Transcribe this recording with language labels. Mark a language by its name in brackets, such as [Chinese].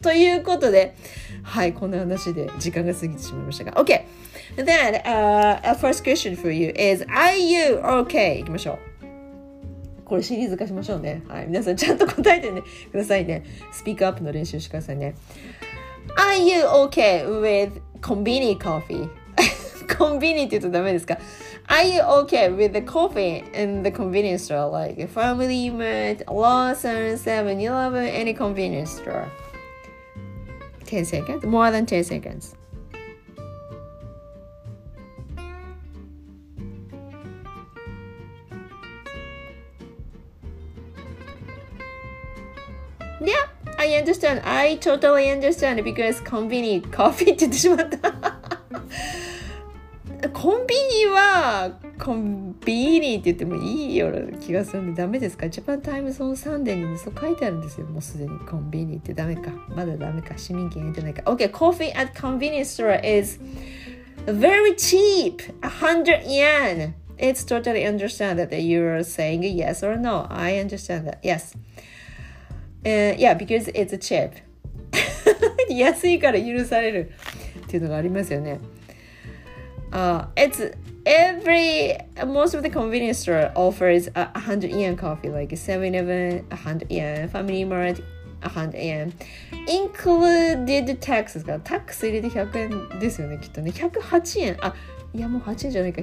[Japanese] ということで、はい、こんな話で時間が過ぎてしまいましたが、 [English] OK Then a first question for you is Are you okay? [Japanese] いきましょう。これシリーズ化しましょうね。はい、皆さんちゃんと答えてね、くださいね。スピークアップの練習してくださいね。 [English] Are you okay with convenient coffee? [Japanese] コンビニって言うとダメですか？ [English] Are you okay with the coffee in the convenience store? Like Family Mart, Lawson, 7-Eleven, any convenience store? 10 seconds? More than 10 seconds. Yeah, I understand. I totally understand because convenient coffee [Japanese] って言ってしまった。コンビニはコンビニって言ってもいいような気がするんでダメですか？ジャパンタイムズオンサンデーに、ね、そう書いてあるんですよ。もうすでにコンビニってダメか、まだダメか、市民権入ってないか。 [English] OK Coffee at convenience store is very cheap 100 yen It's totally understand that you are saying yes or no I understand that Yes Yeah because it's cheap [Japanese] 安いから許されるっていうのがありますよね。 [English] It's every most of the convenience store offers a 100 yen coffee, like 7-Eleven 100 yen, Family Mart 100 yen, included taxes. [Japanese] Tax 入れて100円ですよね、きっとね。108円。あ、いやもう8円じゃないか。